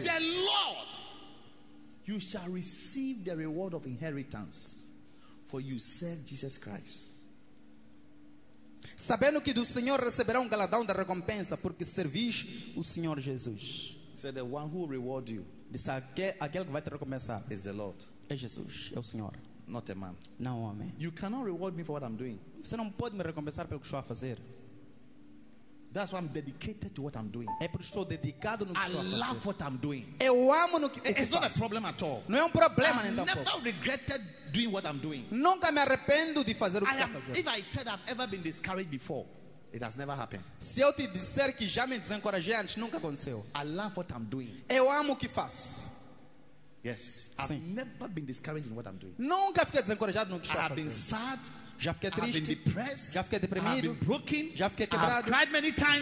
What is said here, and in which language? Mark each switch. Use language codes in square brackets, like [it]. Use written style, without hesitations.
[en] the Lord, you shall receive the reward of inheritance, for you serve Jesus Christ. [pt] Sabendo que do Senhor receberá um galardão da recompensa, porque servis o Senhor Jesus. [en] So the one who will reward you, [pt] diz aquele que vai te recompensar, [en] is the Lord. [pt] É Jesus, é o Senhor. [en] Not a man. [pt] Não homem. [en] You cannot reward me for what I'm doing. [pt] Você não pode me recompensar pelo que estou a fazer. [en] That's why I'm dedicated to what I'm doing. [pt] É porque estou dedicado no que estou a fazer. [en] I love what I'm doing. [pt] Eu amo no que [en] It's not a problem at all. [pt] Não é problema nem tampouco. [en] I've never regretted doing what I'm doing. [pt] Nunca me arrependo de fazer o que estou a fazer. [en] If I tell that I've ever been discouraged before, it has never happened. [pt] Se eu te disser que já me desencorajei antes, nunca aconteceu. [en] I love what I'm doing. [pt] Eu amo o que faço. [en] Yes, I've [pt] Sim. [en] never been discouraged in what I'm doing. [pt] Nunca fiquei desencorajado no que estou a fazer. [en] I've been sad. [pt] Já fiquei triste. [en] I've been depressed. [pt] Já fiquei deprimido. [en] I've been broken. [pt] Já fiquei quebrado. [en] I've cried many times.